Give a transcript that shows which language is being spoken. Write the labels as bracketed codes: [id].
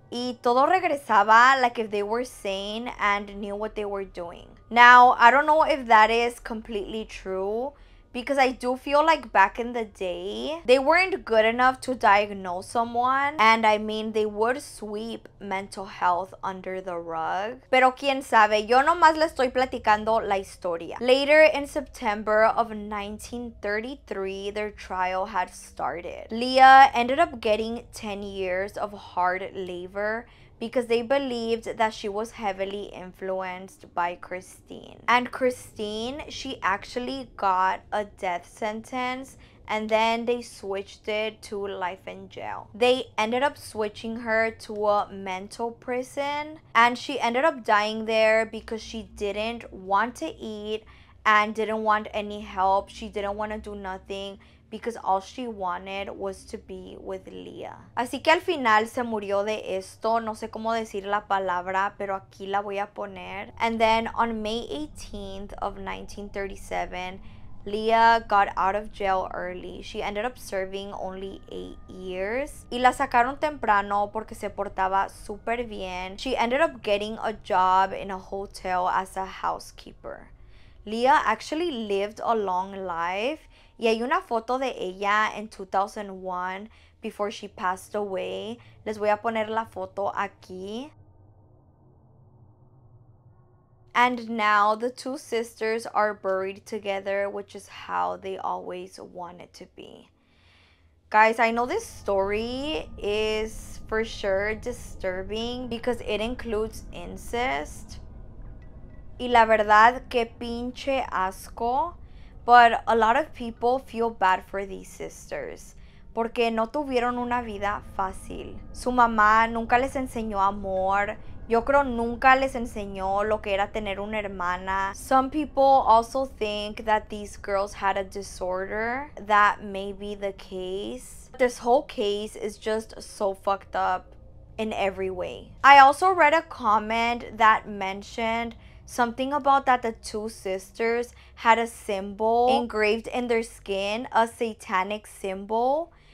[es] Y todo regresaba [en] like if they were sane and knew what they were doing. Now, I don't know if that is completely true, because I do feel like back in the day, they weren't good enough to diagnose someone. And I mean, they would sweep mental health under the rug. [es] Pero quién sabe, yo nomás le estoy platicando la historia. [en] Later in September of 1933, their trial had started. Leah ended up getting 10 years of hard labor, because they believed that she was heavily influenced by Christine. And Christine, she actually got a death sentence, and then they switched it to life in jail. They ended up switching her to a mental prison, and she ended up dying there because she didn't want to eat and didn't want any help. She didn't want to do nothing, because all she wanted was to be with Leah. [es] Así que al final se murió de esto. No sé cómo decir la palabra, pero aquí la voy a poner. [en] And then on May 18th of 1937, Leah got out of jail early. She ended up serving only 8 years. [es] Y la sacaron temprano porque se portaba súper bien. [en] She ended up getting a job in a hotel as a housekeeper. Leah actually lived a long life. [es] Y hay una foto de ella [en] in 2001 before she passed away. [es] Les voy a poner la foto aquí. [en] And now the two sisters are buried together, which is how they always wanted to be. Guys, I know this story is for sure disturbing because it includes incest. [es] Y la verdad, qué pinche asco. [en] But a lot of people feel bad for these sisters [es] porque no tuvieron una vida fácil. Su mamá nunca les enseñó amor. Yo creo nunca les enseñó lo que era tener una hermana. [en] Some people also think that these girls had a disorder. That may be the case. This whole case is just so fucked up in every way. I also read a comment that mentioned something about that the two sisters had a symbol engraved in their skin, a satanic symbol.